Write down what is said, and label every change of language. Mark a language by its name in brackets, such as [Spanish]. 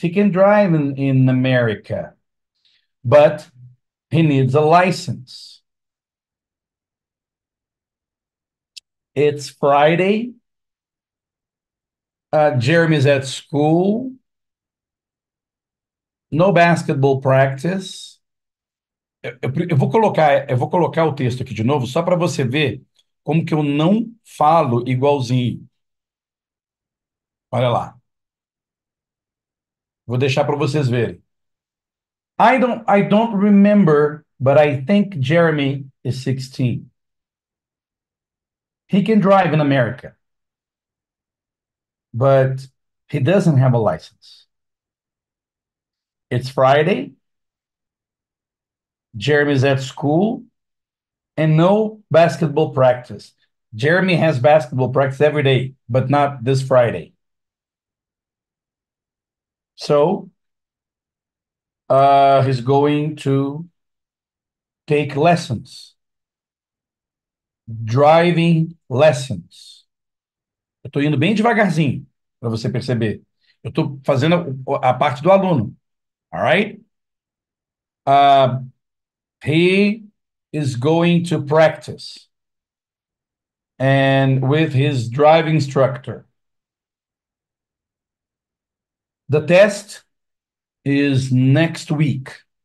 [English] He can drive in America, but he needs a license. It's Friday. Jeremy's at school. No basketball practice. [Portuguese] Eu vou colocar o texto aqui de novo só para você ver como que eu não falo igualzinho. Olha lá. Vou deixar para vocês verem. [English] I don't remember, but I think Jeremy is 16. He can drive in America, but he doesn't have a license. It's Friday. Jeremy's at school and no basketball practice. Jeremy has basketball practice every day, but not this Friday. So, he's going to take lessons. Driving lessons. [Portuguese] Eu estou indo bem devagarzinho para você perceber. Eu estou fazendo a parte do aluno. [English] All right? He is going to practice and with his driving instructor. The test is next week.